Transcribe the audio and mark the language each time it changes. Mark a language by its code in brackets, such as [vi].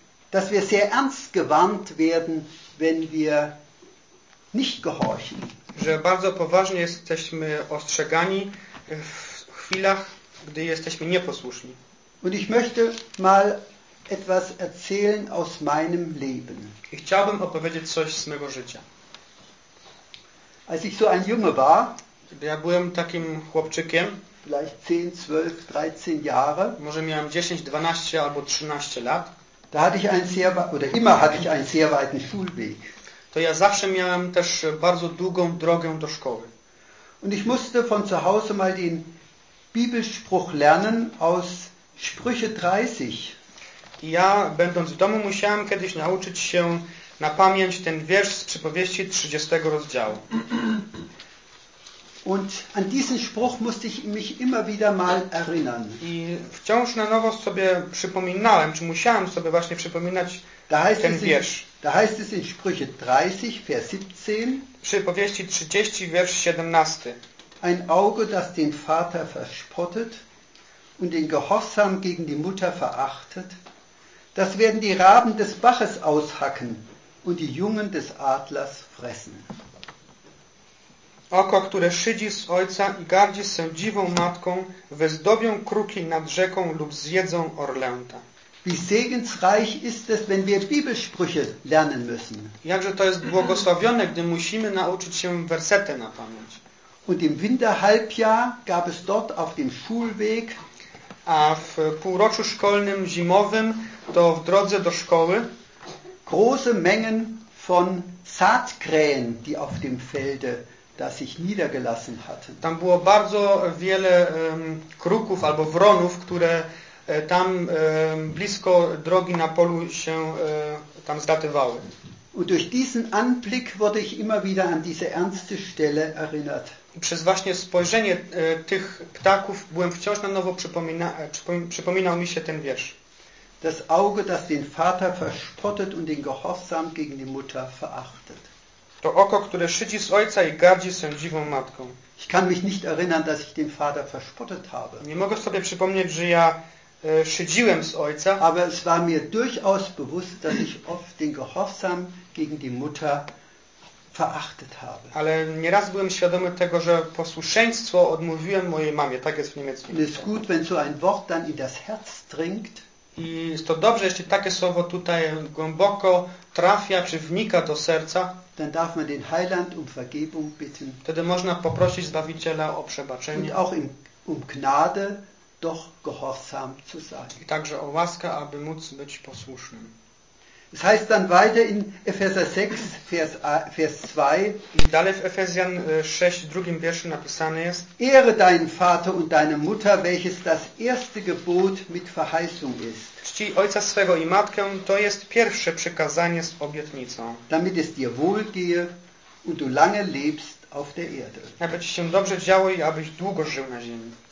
[de] dass wir sehr ernst gewarnt werden, wenn wir nicht gehorchen. [pl] Że bardzo poważnie jesteśmy ostrzegani w chwilach, gdy jesteśmy nieposłuszni. [de] Und ich möchte mal etwas erzählen aus meinem Leben. [pl] I chciałbym opowiedzieć coś z mego życia. [de] Als ich so ein Junge war, [pl] ja byłem takim chłopczykiem, [de] vielleicht 10, 12, 13 Jahre, [pl] może miałem 10, 12 albo 13 lat, [de] da hatte ich einen sehr, oder immer hatte ich einen sehr weiten Schulweg. [pl] To ja zawsze miałem też bardzo długą drogę do szkoły. [de] Und ich musste von zu Hause mal den Bibelspruch lernen aus Sprüche 30. [pl] I ja będąc w domu musiałem kiedyś nauczyć się na pamięć ten wiersz z Przypowieści 30 rozdziału. [de] Und an diesen Spruch musste ich mich immer wieder mal erinnern. [pl] I wciąż na nowo sobie przypominałem, czy musiałem sobie właśnie przypominać ten wiersz. [de] Da heißt es in Sprüche 30, Vers 17. [pl] Przypowieści 30, wiersz 17. [de] Ein Auge, das den Vater verspottet und den Gehorsam gegen die Mutter verachtet, das werden die Raben des Baches aushacken und die Jungen des Adlers fressen. [pl] Oko, które szydzi z ojca i gardzi sędziwą matką, wyzdobią kruki nad rzeką lub zjedzą orlęta. [de] Wie segensreich ist es, wenn wir Bibelsprüche lernen müssen. [pl] Jakże to jest błogosławione, gdy musimy nauczyć się wersety na pamięć. [de] Und im Winterhalbjahr gab es dort auf dem Schulweg, [pl] a w półroczu szkolnym zimowym, to w drodze do szkoły, [de] große Mengen von Saatkrähen, die auf dem Felde das sich niedergelassen hatte. [pl] Tam było bardzo wiele kruków albo wronów, które tam blisko drogi na polu się tam zlatywały. [de] Und durch diesen Anblick wurde ich immer wieder an diese ernste Stelle erinnert. [pl] I przez właśnie spojrzenie tych ptaków byłem wciąż na nowo przypominał mi się ten wiersz. [de] Das Auge, das den Vater verspottet und den Gehorsam gegen die Mutter verachtet. [pl] To oko, które szydzi z ojca i gardzi sędziwą matką. [de] Ich kann mich nicht erinnern, dass ich den Vater verspottet habe. [pl] Nie mogę sobie przypomnieć, że ja szydziłem z ojca. [de] Aber es war mir durchaus bewusst, dass ich oft den Gehorsam gegen die Mutter verachtet habe. [pl] Ale nieraz byłem świadomy tego, że posłuszeństwo odmówiłem mojej mamie. Tak jest w niemieckim. [de] Es ist gut, wenn so ein Wort dann in das Herz dringt. [pl] I jest to dobrze, jeśli takie słowo tutaj głęboko trafia, czy wnika do serca, [de] dann darf man den Heiland um Vergebung bitten. [pl] Wtedy można poprosić Zbawiciela o przebaczenie. [de] Und auch um Gnade, doch gehorsam zu sein. [pl] I także o łaskę, aby móc być posłusznym. [de] Es heißt dann weiter in Epheser 6, Vers 2. [pl] I dalej w Efezjan 6, drugim wierszu napisane jest: [de] Ehre deinen Vater und deine Mutter, welches das erste Gebot mit Verheißung ist. [pl] Czci ojca swego i matkę, to jest pierwsze przykazanie z obietnicą. [de] Damit es dir wohl gehe und du lange lebst auf der Erde. [pl] Aby ci się dobrze działo i abyś długo żył na ziemi.